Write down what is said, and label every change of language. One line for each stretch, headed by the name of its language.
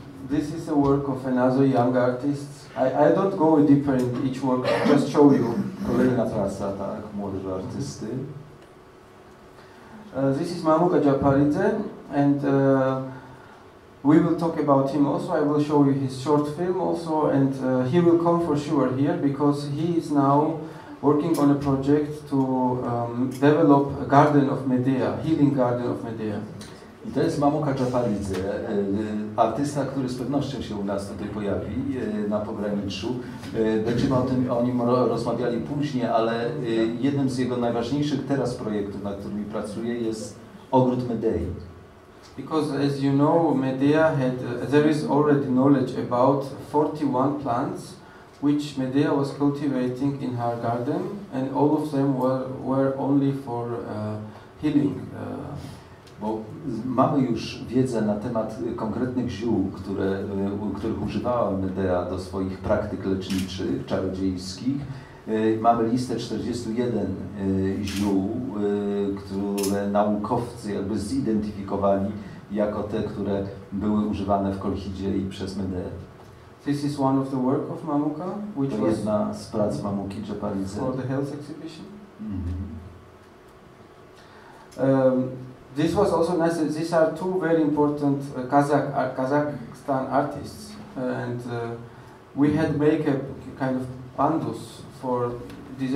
English: This is a work of another young artist. I don't go deeper in each work, I just show you.
Polish: Kolejna praca, tak, młodego artysty.
English: This is Mamuka Japaridze, and we will talk about him also. I will show you his short film also, and he will come for sure here, because he is now working on a project to develop a garden of Medea, healing garden of Medea.
Polish: I to jest Mamuka Japaridze, artysta, który z pewnością się u nas tutaj pojawi na pograniczu. Będziemy o nim rozmawiali później, ale jednym z jego najważniejszych teraz projektów, na którym pracuje, jest Ogród Medei.
English: Because as you know, Medea had, there is already knowledge about 41 plants, which Medea was cultivating in her garden, and all of them were only for healing.
Polish: Bo mamy już wiedzę na temat konkretnych ziół, których używała Medea do swoich praktyk leczniczych, czarodziejskich. Mamy listę 41 ziół, które naukowcy jakby zidentyfikowali jako te, które były używane w Kolchidzie i przez Medeę.
English: This is one of the work of Mamuka,
Polish: which to was jedna z prac Mamuki Japaridze.
English: For the health exhibition. Mm-hmm. This was also nice. These are 2 very important Kazakhstan artists, and we had make a kind of pandus for disabled people. So we had a couple of people on the exhibitions